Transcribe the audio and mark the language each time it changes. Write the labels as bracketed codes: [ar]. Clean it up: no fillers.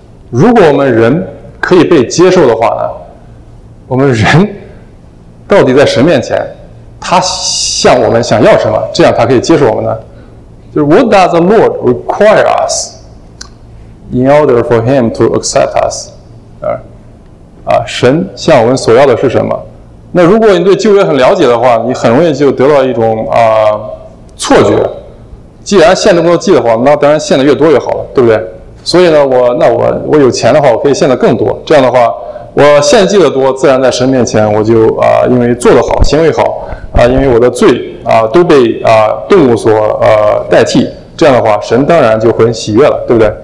[zh] 如果我们人可以被接受的话呢，我们人到底在神面前他向我们想要什么，这样他可以接受我们呢？就是 [en] What does the Lord require us in order for him to accept us？ [zh] 神向我们所要的是什么？那如果你对旧约很了解的话，你很容易就得到一种错觉，既然献这么多祭的话，那当然献的越多越好了，对不对？所以呢，我有钱的话，我可以献的更多。这样的话，我献祭的多，自然在神面前我就因为做得好，行为好因为我的罪都被动物所代替，这样的话，神当然就很喜悦了，对不对？